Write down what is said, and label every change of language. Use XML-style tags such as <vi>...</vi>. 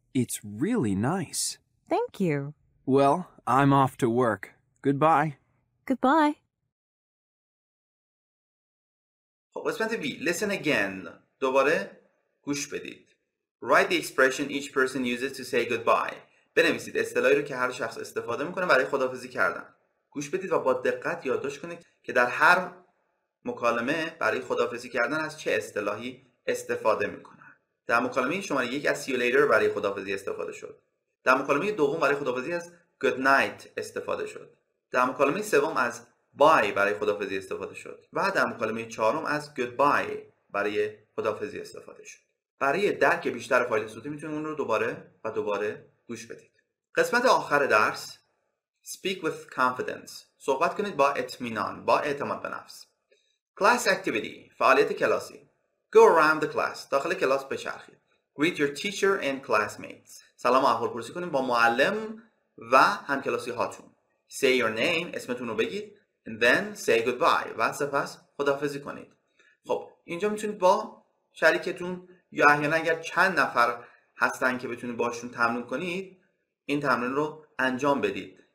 <en>It's really nice. Thank you. Well, I'm off to work. Goodbye. Goodbye.</en> <fa>خب قسمت B.</fa> <en>Listen again.</en> <fa>دوباره گوش بدید.</fa> <en>Write the expression each person uses to say goodbye.</en> <fa>بنویسید اصطلاحی رو که هر شخص استفاده میکنه برای خداحافظی کردن. گوش بدید و با دقت یادداشت کنید که در هر مکالمه برای خداحافظی کردن از چه اصطلاحی استفاده میکنن. در مکالمه شماره 1 از</fa> <en>see you later</en> <fa>برای خداحافظی استفاده شد. در مکالمه دوم برای خداحافظی از</fa> <en>good night</en> <fa>استفاده شد. در مکالمه سوم از bye برای خداحافظی استفاده شد. و در مکالمه چهارم از goodbye برای خداحافظی استفاده شد. برای درک بیشتر فایل صوتی میتونید اون رو دوباره و دوباره گوش بدید. قسمت آخر درس</fa> <en>speak with confidence.</en> <fa>صحبت کنید با اطمینان، با اعتماد به نفس.</fa> <en>Class activity.</en> <fa>فعالیت کلاسی.</fa> <en>Go around the class.</en> <fa>داخل کلاس بچرخید.</fa> <en>Greet your teacher and classmates.</en> <fa>سلام و احوالپرسی کنید با معلم و همکلاسی هاتون.</fa> <en>Say your name.</en> <fa>اسمتون رو بگید.</fa> <en>And then say goodbye.</en> <fa>و سپس خداحافظی کنید. خب اینجا میتونید با شریکتون یا احیانا اگر چند نفر هستن که بتونید باشون تمرین کنید این تمرین رو انجام بدید.</fa>